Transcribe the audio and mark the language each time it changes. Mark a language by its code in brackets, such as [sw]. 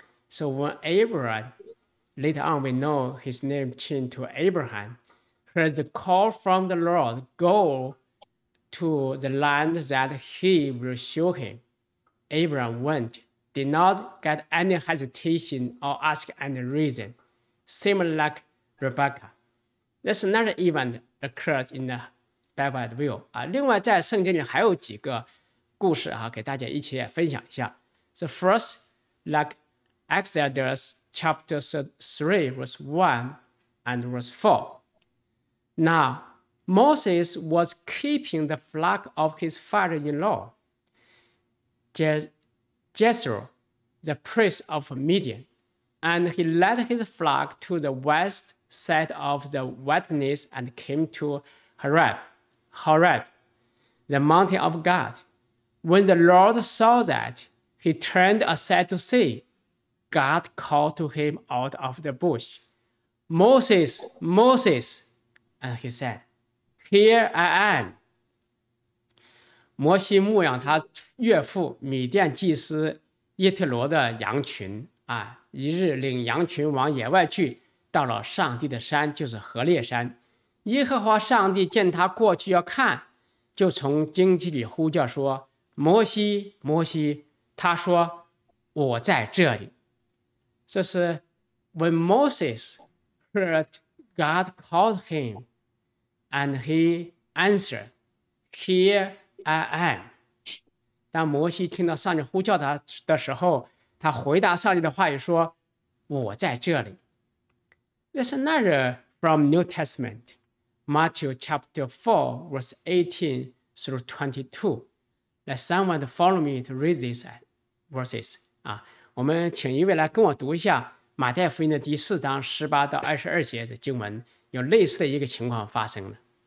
[en] So when Abraham later on we know his name changed to Abraham heard the call from the Lord, go to the land that he will show him, Abraham went, did not get any hesitation or ask any reason, same like Rebecca. That's another event occurred in the Bible as well. [zh] 另外在圣经里还有几个故事啊，给大家一起分享一下。 [en] So first, like Exodus chapter 3, verse 1 and verse 4. Now, Moses was keeping the flock of his father-in-law, Jethro, the priest of Midian, and he led his flock to the west side of the wilderness and came to Horeb, the mountain of God. When the Lord saw that, he turned aside to see. God called to him out of the bush, Moses, Moses, and he said, Here I am. [zh] 摩西牧养他岳父米甸祭司耶特罗的羊群啊，一日领羊群往野外去，到了上帝的山，就是何烈山。耶和华上帝见他过去要看，就从荆棘里呼叫说：“摩西，摩西！” 他说：“我在这里。” 这是 [en] When Moses heard God called him, and he answered, "Here I am." [zh] 当摩西听到上帝呼叫他的时候，他回答上帝的话语说：“ 我在这里。 [en] This is another from New Testament, Matthew chapter 4, verse 18 through 22. Let someone follow me to read these verses. [zh] 我们请一位来跟我读一下 马太福音的第4章18到22节的经文, 有类似的一个情况发生了。